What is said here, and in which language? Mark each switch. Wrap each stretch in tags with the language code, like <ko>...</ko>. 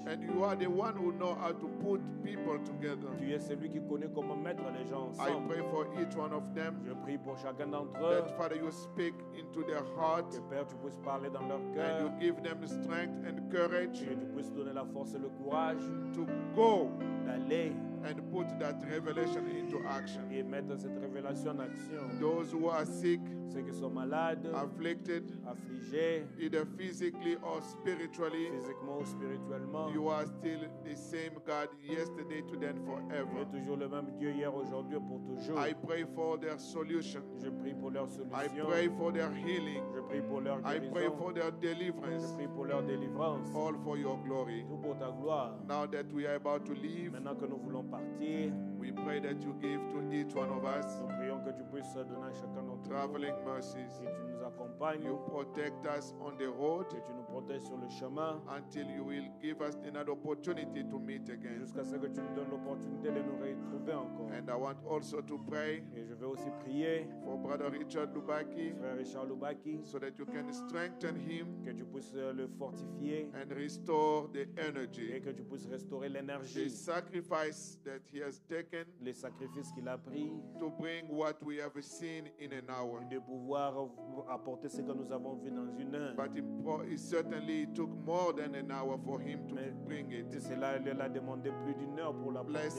<en>And you are the one who knows how to put people together.</en> <fr>Tu es celui qui connaît comment mettre les gens ensemble.</fr> <en>I pray for each one of them.</en> <fr>Je prie pour chacun d'entre eux.</fr> <en>That Father, you speak into their heart.</en> <fr>Que Père, tu puisses parler dans leur cœur.</fr> <en>And you give them strength and courage.</en> <fr>Et tu puisses donner la force et le courage.</fr> <en>To go.</en> <fr>D'aller</fr> <en>and put that revelation into action.</en> <fr>Et mettre cette révélation en action.</fr> <en>Those who are sick,</en> <fr>ceux qui sont malades,</fr> <en>afflicted,</en> <fr>affligés,</fr> <en>either physically or spiritually,</en> <fr>physiquement ou spirituellement,</fr> <en>you are still the same God yesterday, today, and forever.</en> <fr>Tu es toujours le même Dieu hier, aujourd'hui, pour toujours.</fr> <en>I pray for their solution.</en> <fr>Je prie pour leur solution.</fr> <en>I pray for their healing.</en> <fr>Je prie pour leur guérison.</fr> <en>I pray for their deliverance.</en> <fr>Je prie pour leur délivrance.</fr> <en>All for your glory.</en> <fr>Tout pour ta gloire.</fr> <en>Now that we are about to leave,</en> <fr>maintenant que nous voulons partir,</fr> <en>we pray that you give to each one of us.</en> <fr>Nous prions que tu puisses donner à chacun d'entre nous.</fr> <en>Traveling mercies.</en> <fr>Et tu nous accompagnes.</fr> <en>You protect us on the road.</en> <fr>Et tu nous protèges sur le chemin.</fr> <en>Until you will give us another opportunity to meet again.</en> <fr>Jusqu'à ce que tu nous donnes l'opportunité de nous retrouver encore.</fr> <en>And I want also to pray.</en> <fr>Et je veux aussi prier.</fr> <en>For Brother Richard Lubaki.</en> <fr>Frère Richard Lubaki.</fr> <en>So that you can strengthen him.</en> <fr>Que tu puisses le fortifier.</fr> <en>And restore the energy.</en> <fr>Et que tu puisses restaurer l'énergie.</fr> <en>The sacrifice that he has taken.</en> <fr>Les sacrifices qu'il a pris.</fr> <en>To bring what we have seen in an hour.</en> <fr>De pouvoir apporter ce que nous avons vu dans une heure.</fr> <en>But it certainly took more than an hour for him to bring it.</en> <fr>Cela lui a demandé plus d'une heure pour l'apporter.</fr>